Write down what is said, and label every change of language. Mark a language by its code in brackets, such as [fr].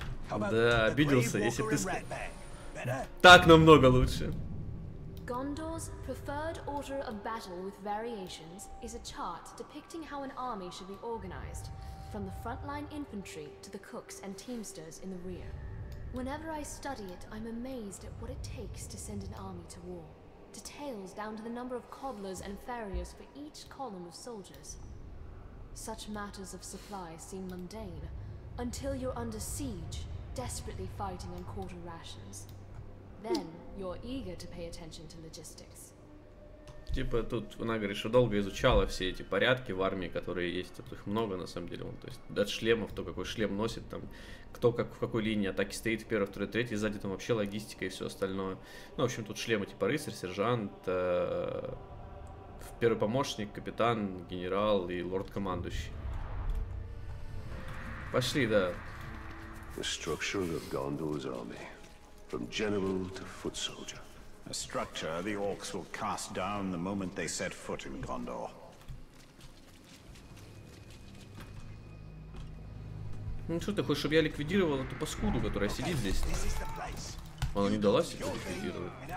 [ru] Да, обиделся, если ты сказал. Так намного лучше. [en] Gondor's preferred order of battle with variations is a chart depicting how an army should be organized, from the frontline infantry to the cooks and teamsters in the rear. Whenever I study it, I'm amazed at what it takes to send an army to war. Details down to the number of cobblers and farriers for each column of soldiers. Such matters of supply seem mundane, until you're under siege, desperately fighting on quarter rations. Then you're eager to pay attention to logistics. [ru] Типа тут она говорит, что долго изучала все эти порядки в армии, которые есть, тут их много на самом деле. Вон, то есть от шлемов, то какой шлем носит, там кто как в какой линии атаки стоит, в первой, второй, третьей, сзади там вообще логистика и все остальное. Ну, в общем, тут шлемы типа рыцарь, сержант, первый помощник, капитан, генерал и лорд-командующий. Пошли, да. [en] The structure of Gondor's army. From general to foot soldier. A structure the orcs will cast down the moment they set foot in Gondor. [ru] Ну что ты хочешь, чтобы я ликвидировал эту паскуду, которая сидит здесь? Она не дала себя ликвидировать.